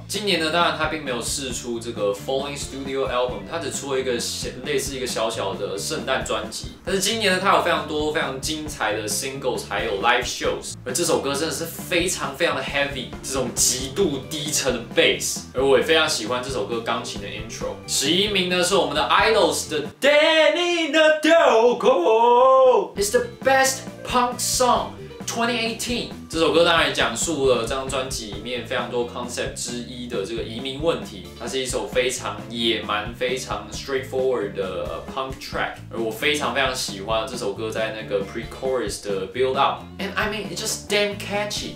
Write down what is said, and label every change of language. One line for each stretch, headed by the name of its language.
Chinese: 今年呢，当然他并没有释出这个。Falling Studio Album， 他只出了一个类似一个小小的圣诞专辑，但是今年呢，他有非常多非常精彩的 singles， 还有 live shows。而这首歌真的是非常非常的 heavy， 这种极度低沉的 bass， 而我也非常喜欢这首歌钢琴的 intro。十一名呢是我们的 Idols 的 Danny Nadelko，
English: It's the best punk song。
Chinese: 2018这首歌当然讲述了这张专辑里面非常多 concept 之一的这个移民问题，它是一首非常野蛮非常 straightforward 的 punk track， 而我非常非常喜欢这首歌在那个 pre-chorus 的 build up，
English: and I mean it's just damn catchy。